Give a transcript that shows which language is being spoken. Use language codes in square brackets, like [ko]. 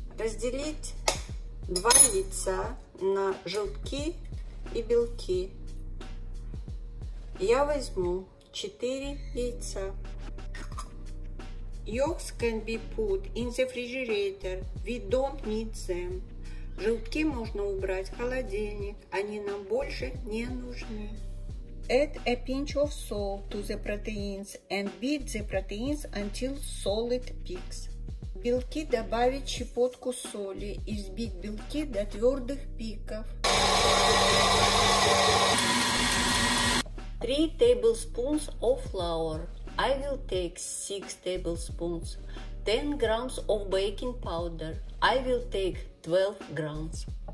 [ru] Разделить два яйца на желтки и белки. Я возьму 4 яйца. [en] Yolks can be put in the refrigerator. We don't need them. [ru] Желтки можно убрать в холодильник. Они нам больше не нужны. [en] Add a pinch of salt to the proteins and beat the proteins until solid peaks. [ru] Белки добавить щепотку соли и взбить белки до твердых пиков. [en] 3 tablespoons of flour. I will take 6 tablespoons. 10 grams of baking powder. I will take 12 grams.